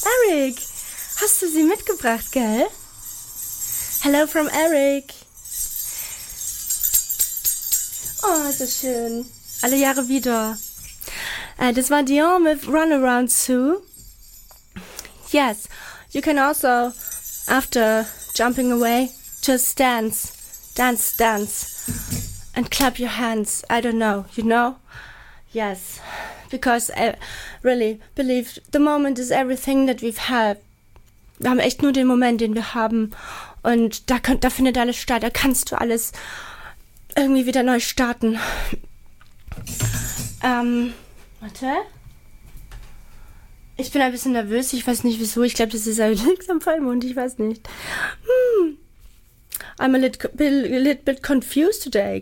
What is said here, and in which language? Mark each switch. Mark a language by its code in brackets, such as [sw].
[de] Eric, hast du sie mitgebracht, gell? [en] Hello from Eric. [de] Oh, so schön. Alle Jahre wieder. Das war Dion mit Runaround zu. [en] Yes, you can also, after jumping away, just dance. Dance, dance. And clap your hands. I don't know, you know? Yes, because I really believe the moment is everything that we've had. [de] Wir haben echt nur den Moment, den wir haben. Und da findet alles statt. Da kannst du alles irgendwie wieder neu starten. Warte. Ich bin ein bisschen nervös. Ich weiß nicht, wieso. Ich glaube, das ist ein langsam Vollmond. Ich weiß nicht. [en] I'm a little bit confused today.